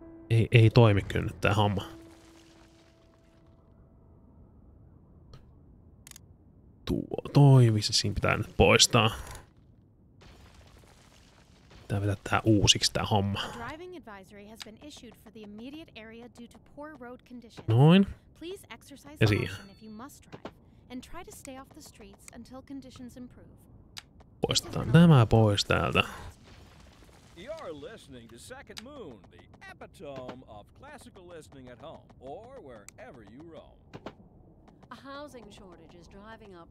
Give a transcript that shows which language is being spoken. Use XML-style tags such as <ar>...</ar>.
<fi>Ei toimi kyllä nyt tää homma. Tuo toimi, se siinä pitää nyt poistaa. Pitää vetää tää uusiksi tää homma.</fi> <en>Driving advisory has been issued for the immediate area due to poor road conditions.</en> <fi>Noin.</fi> <en>Please exercise caution if you must drive and try to stay off the streets until conditions improve.</en> <fi>Poistetaan tämä pois täältä.</fi> <en>You're listening to Second Moon, the epitome of classical listening at home or wherever you roam. A housing shortage is driving up.</en>